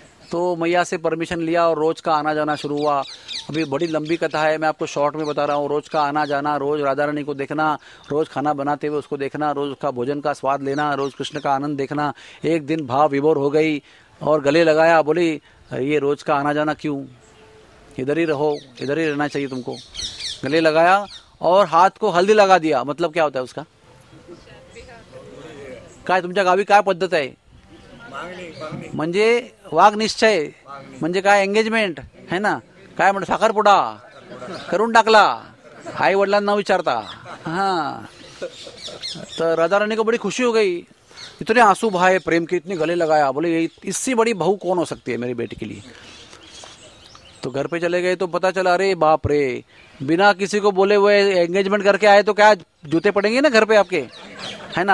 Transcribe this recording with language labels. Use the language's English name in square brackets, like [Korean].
[Hindi] तो मैया से परमिशन लिया और रोज का आना जाना शुरू हुआ। अभी बड़ी लंबी कथा है, मैं आपको शॉर्ट में बता रहा हूँ, रोज का आना जाना, रोज राधा रानी को देखना, रोज खाना बनाते हुए उसको देखना, रोज का भोजन का स्वाद लेना, रोज कृष्ण का आनंद देखना। एक दिन भाव विभोर हो गई और गले लगाया, बोली ये रोज का आना जाना क्यों, इधर ही रहो, इधर ही रहना चाहिए तुमको। गले लगाया और हाथ को हल्दी लगा दिया, मतलब क्या होता है उसका, [Marathi] का तुमच्या गावी काय पद्धत आहे, म्हणजे वाघ निश्चय, म्हणजे काय एंगेजमेंट [Hindi] है ना, [Marathi] काय म्हणतो साखरपुडा करून टाकला, आई वडिलांना विचारता। [Hindi] हा तर राधा रानी को बड़ी खुशी हो गई, इतने आंसू भाए प्रेम के, इतने गले लगाया, बोले इससे बड़ी बहू कौन हो सकती है मेरी बेटी के लिए। तो घर पे चले गए तो पता चला, अरे बाप रे, बिना किसी को बोले हुए एंगेजमेंट करके आए तो क्या जूते पड़ेंगे ना घर पे आपके, है ना।